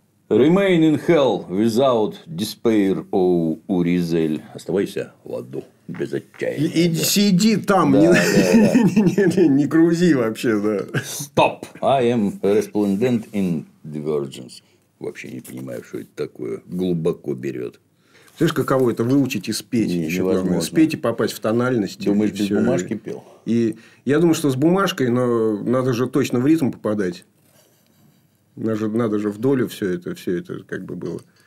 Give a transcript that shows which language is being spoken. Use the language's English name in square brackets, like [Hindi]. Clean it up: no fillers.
[English] Remain in hell without despair, о, Уризель. [Russian] Оставайся в аду без отчаяния. И да. Сиди там. Да, не грузи вообще. Да. [English] Stop. I am resplendent in divergence. [Russian] Вообще не понимаю, что это такое. Глубоко берет. Слышишь, каково это выучить и спеть. Не, еще невозможно. Главное. Спеть и попасть в тональность. Думаешь, без бумажки пел? И я думаю, что с бумажкой, но надо же точно в ритм попадать. Надо же в долю все это как бы было.